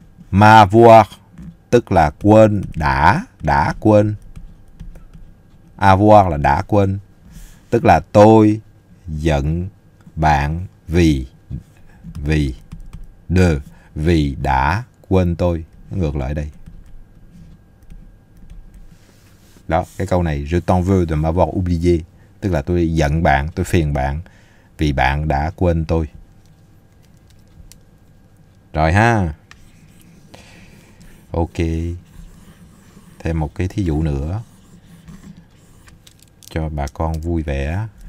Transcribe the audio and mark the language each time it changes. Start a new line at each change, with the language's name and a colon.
French: M'avoir
Vietnamese: tức là quên, đã quên.
French: Avoir
Vietnamese: là đã quên. Tức là tôi giận bạn vì đã quên tôi. Ngược lại đây. Đó, cái câu này,
French: je t'en veux de m'avoir oublié.
Vietnamese: Tức là tôi giận bạn, tôi phiền bạn vì bạn đã quên tôi. Rồi ha. Ok. Thêm một cái thí dụ nữa cho bà con vui vẻ.